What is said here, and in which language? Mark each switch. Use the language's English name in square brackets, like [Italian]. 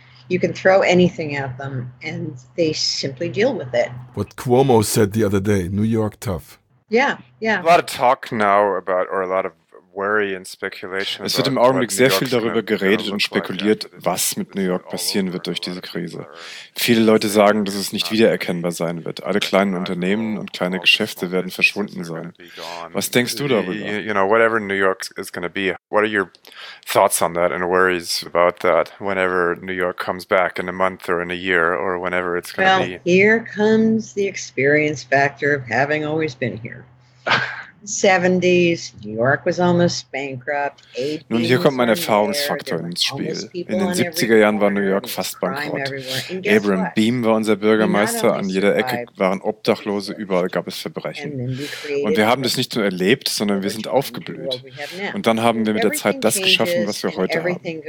[English] You can throw anything at them, and they simply deal with it. What Cuomo said the other day, New York tough. Yeah, yeah. A lot of talk now about, or a lot of worry and speculation. [German] Es wird im Augenblick sehr viel darüber geredet und spekuliert, was mit New York passieren wird durch diese Krise. Viele Leute sagen, dass es nicht wiedererkennbar sein wird. Alle kleinen Unternehmen und kleine Geschäfte werden verschwunden sein. Was denkst du darüber? [English] You know, whatever New York is going to be. What are your thoughts on that and worries about that? Whenever New York comes back in a month or in a year or whenever it's going to be. Well, here comes the experience factor of having always been here. 70s, New York was almost bankrupt. [German] Nun, hier kommt mein Erfahrungsfaktor ins Spiel. In den 70er Jahren war New York fast bankrott. Abram Beam war unser Bürgermeister, an jeder Ecke waren Obdachlose, überall gab es Verbrechen. Und wir haben das nicht nur erlebt, sondern wir sind aufgeblüht. Und dann haben wir mit der Zeit das geschaffen, was wir heute haben.